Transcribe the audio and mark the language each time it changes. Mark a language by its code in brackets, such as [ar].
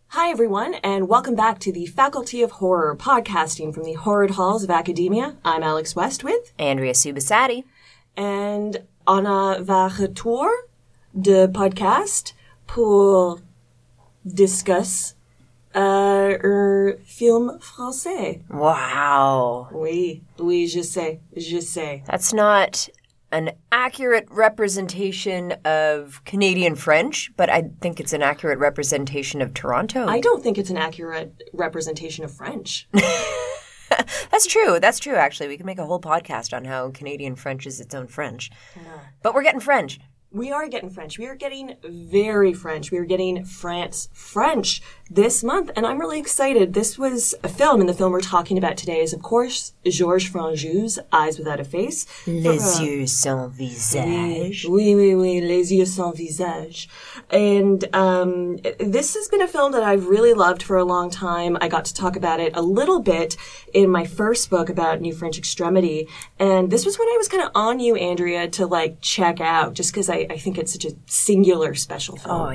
[en] everyone, and welcome back to the Faculty of Horror, podcasting from the horrid halls of academia. I'm Alex West with Andrea Subisati. [fr] And on a retour de podcast pour discuss film français. [en] Wow. [fr] Oui, je sais. [en] That's not an accurate representation of Canadian French, but I think it's an accurate representation of Toronto. I don't think it's an accurate representation of French. That's true, actually. We can make a whole podcast on how Canadian French is its own French. Yeah. But we're getting French. We are getting French. We are getting very French. We are getting France French this month, and I'm really excited. This was a film, and the film we're talking about today is, of course, Georges Franju's Eyes Without a Face. [fr] Les yeux sans visage. Oui, les yeux sans visage. [en] And this has been a film that I've really loved for a long time. I got to talk about it a little bit in my first book about New French Extremity, and this was when I was kind of on you, Andrea, to, like, check out, just because I think it's such a singular, special film.